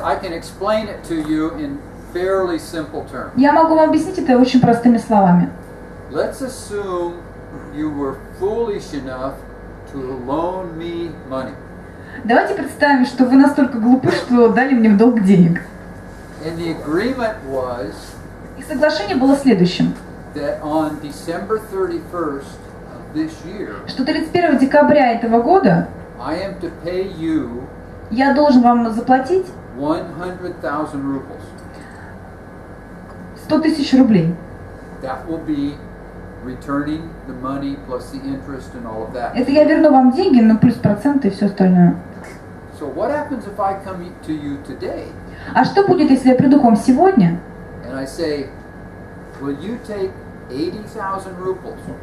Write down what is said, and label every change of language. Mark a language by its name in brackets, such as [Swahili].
[English] I can explain it to you in fairly simple terms. [Russian] Я могу вам объяснить это очень простыми словами. [English] Let's assume you were foolish enough to loan me money. [Russian] Давайте представим, что вы настолько глупы, что дали мне в долг денег. [English] And the agreement was. [Russian] И соглашение было следующим. [English] that on December 31st of this year, [Russian] что 31 декабря этого года [English] I am to pay you, [Russian] я должен вам заплатить [English] 100 000 rubles. [Russian] 100 тысяч рублей. [English] That will be returning the money plus the interest and all of that. [Russian] Это я верну вам деньги, но плюс проценты и все остальное. [English] So what happens if I come to you today? [Russian] А что будет, если я приду к вам сегодня? [English] And I say, will you take 80,000 rubles?